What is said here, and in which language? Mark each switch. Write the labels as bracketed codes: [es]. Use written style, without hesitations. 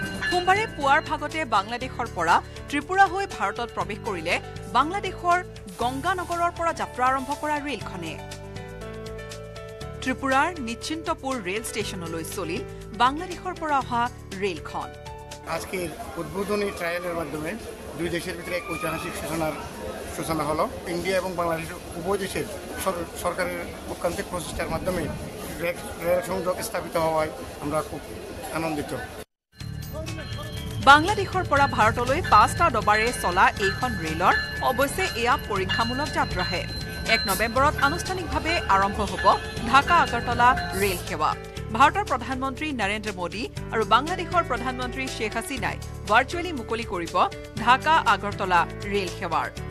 [as] সোমবাৰে পুৱাৰ ভাগতে বাংলাদেশৰ পৰা ত্ৰিপুৰা হৈ ভাৰতত প্ৰৱেশ কৰিলে বাংলাদেশৰ গংগানগৰৰ পৰা যাত্ৰা আৰম্ভ কৰা ৰেলখনে। ত্ৰিপুৰাৰ নিশ্চিন্তপুৰ ৰেল ষ্টেচনলৈ চলিল বাংলাদেশৰ পৰা অহা ৰেলখন। [bn] উদ্বোধনী ট্ৰায়েলৰ মাধ্যমে দুই দেশের ভিতরে এক ঐতিহাসিক সূচনা হলো। ইন্ডিয়া এবং বাংলাদেশ উভয় দেশের সরকারের মুখান্তিক প্রচেষ্টার মাধ্যমে রেল সংযোগ স্থাপিত হওয়ায় আমরা খুব আনন্দিত। [as] বাংলাদেশৰ পৰা ভাৰতলৈ 5টা ডবাৰে চলা এইখন ৰেলৰ অৱশ্যে এয়া পৰীক্ষামূলক যাত্ৰাহে। 1 নৱেম্বৰত আনুষ্ঠানিকভাৱে আৰম্ভ হ'ব ঢাকা আগৰতলা ৰেল সেৱা। ভাৰতৰ প্ৰধানমন্ত্ৰী নৰেন্দ্ৰ মোদী আৰু বাংলাদেশৰ প্ৰধানমন্ত্ৰী শ্বেখ হাসিনাই ভাৰ্চুৱেলি মুকলি কৰিব ঢাকা আগৰতলা ৰেল সেৱাৰ।